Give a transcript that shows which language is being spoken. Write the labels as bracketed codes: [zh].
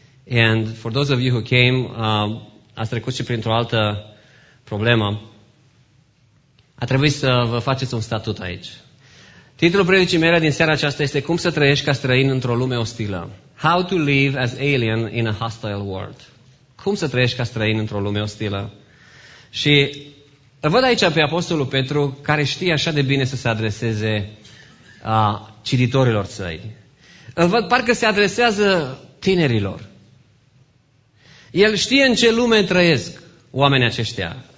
[en] And for those of you who came, [ro] ați trecut și printr-o altă problemă. A trebuit să vă faceți un statut aici. Titlul predicii mele din seara aceasta este Cum să trăiești ca străin într-o lume ostilă. [en] How to live as alien in a hostile world. [ro] Cum să trăiești ca străin într-o lume ostilă. Și îl văd aici pe Apostolul Petru, care știe așa de bine să se adreseze cititorilor săi. Îl văd, parcă se adresează tinerilor. El știe în ce lume trăiesc oamenii aceștia.